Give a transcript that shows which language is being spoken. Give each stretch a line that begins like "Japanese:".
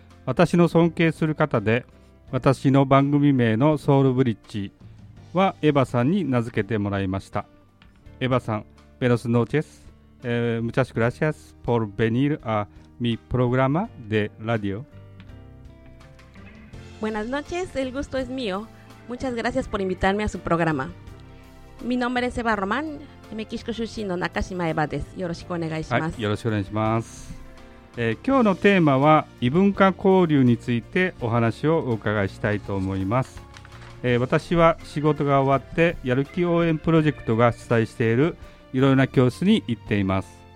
Japanese: 私の尊敬する方で、私の番組名のソウルブリッジはエヴァさんに名付けてもらいました。
Spanish: エヴァさん、ベロスノーチェス、ムチャシグラシアスポルベニールアミプログラマデラディオ。 Buenas noches, el gusto es mío. Muchas gracias por invitarme a su programa. Mi nombre es Eva Román, Mexico
Japanese: 出身の中島エヴァです。よろしくお願いします。はい、よろしくお願いします。今日のテーマは異文化交流についてお話をお伺いしたいと思います。私は仕事が終わってやる気応援プロジェクトが主催しているいろいろな教室に行っています。